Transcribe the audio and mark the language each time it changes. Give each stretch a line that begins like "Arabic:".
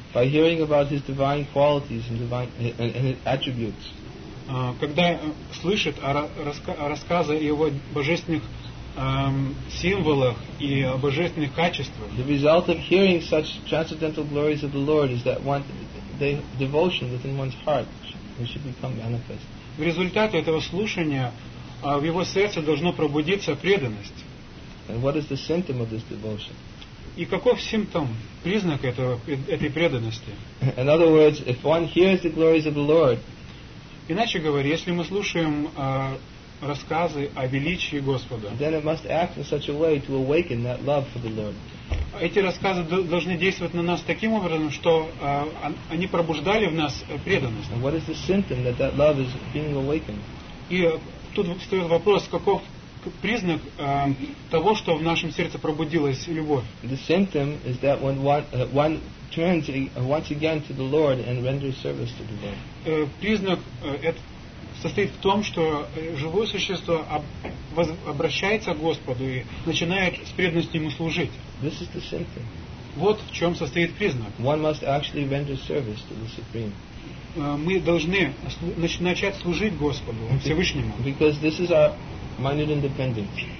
English: by hearing about his divine qualities and his attributes,
Russian: когда слышит о рассказе его божественных символах и божественных качествах,
English: the result of hearing such transcendental glories of the Lord is that one devotion within one's heart it should become manifest.
Russian: В результате этого слушания в его сердце должно пробудиться преданность.
English: And what is the symptom of this devotion?
Russian: И каков симптом, признак этого, этой преданности?
English: In other words, if one hears the glories of the Lord.
Russian: Иначе говоря, если мы слушаем рассказы о величии Господа.
English: Then it must act in such a way to awaken that love for the Lord.
Russian: Эти рассказы должны действовать на нас таким образом, что они пробуждали в нас преданность.
English: And what is the symptom that that love is being awakened?
Russian: И тут встает вопрос, каков признак того, что в нашем сердце пробудилась любовь?
English: The symptom is that when one turns once again to the Lord and renders service to the Lord.
Russian: Признак это состоит в том, что живое существо обращается к Господу и начинает с преданностью ему служить.
English: This is the symptom.
Russian: Вот в чем состоит признак.
English: One must actually render service to the Supreme.
Russian: Мы должны начать служить Господу, Всевышнему.
English: Because this is our minute independence.